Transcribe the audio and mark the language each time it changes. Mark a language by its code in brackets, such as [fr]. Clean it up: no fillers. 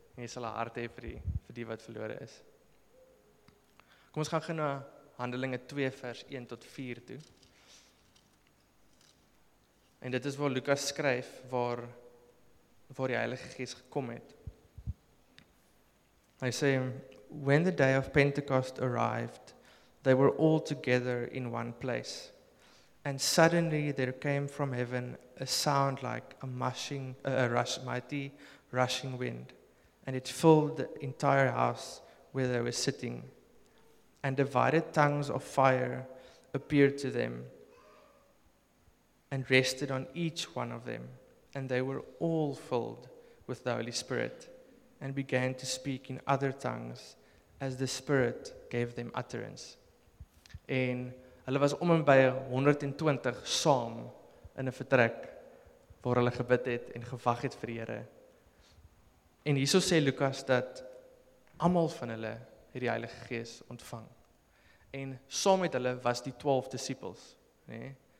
[af] En jy sal 'n hart hê vir die wat verlore is. Kom ons gaan gou na Handelinge 2 vers 1 tot 4 toe. En dit is waar Lukas skryf waar die Heilige Gees gekom het. Hy sê, [en] when the day of Pentecost arrived, they were all together in one place. And suddenly there came from heaven a sound like mighty rushing wind, and it filled the entire house where they were sitting. And divided tongues of fire appeared to them and rested on each one of them. And they were all filled with the Holy Spirit and began to speak in other tongues as the Spirit gave them utterance. [af] And hulle was om en by 120 saam in 'n vertrek waar hulle gebid het en gewag het vir die Here. En hierso sê Lukas dat almal van hulle het die Heilige Gees ontvang. En saam met hulle was die 12 disippels, né? Nee?